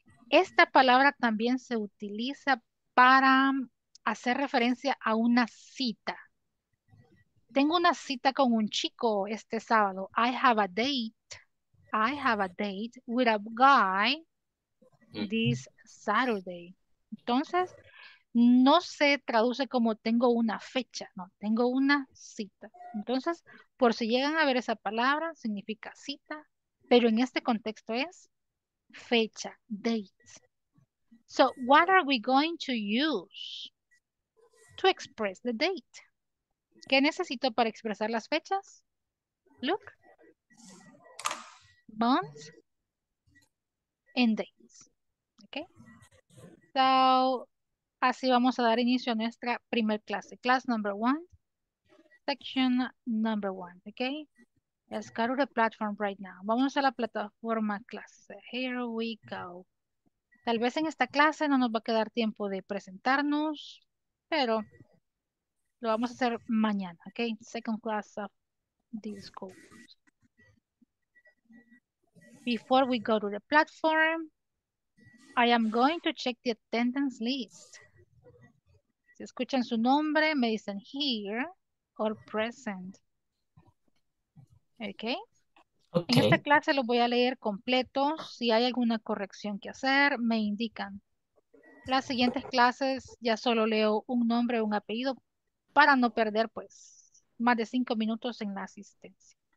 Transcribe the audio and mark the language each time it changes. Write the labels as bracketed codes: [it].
[es] Esta palabra también se utiliza para hacer referencia a una cita. Tengo una cita con un chico este sábado. [en] I have a date. I have a date with a guy this Saturday. [es] Entonces, no se traduce como tengo una fecha, no, tengo una cita. Entonces, por si llegan a ver esa palabra, significa cita, pero en este contexto es fecha, date. [en] So, what are we going to use to express the date? [es] ¿Qué necesito para expresar las fechas? Look. [en] Months and dates. Okay. [es] So, así vamos a dar inicio a nuestra primer clase. [en] Class number one. Section number one. Okay. Let's go to the platform right now. [es] Vamos a la plataforma clase. [en] Here we go. [es] Tal vez en esta clase no nos va a quedar tiempo de presentarnos, pero lo vamos a hacer mañana, ¿ok? [en] Second class of this course. Before we go to the platform, I am going to check the attendance list. [es] Si escuchan su nombre, me dicen here or present. [en] Okay. Okay. [es] En esta clase los voy a leer completo. Si hay alguna corrección que hacer, me indican. Las siguientes clases ya solo leo un nombre o un apellido para no perder, pues, más de 5 minutos en la asistencia.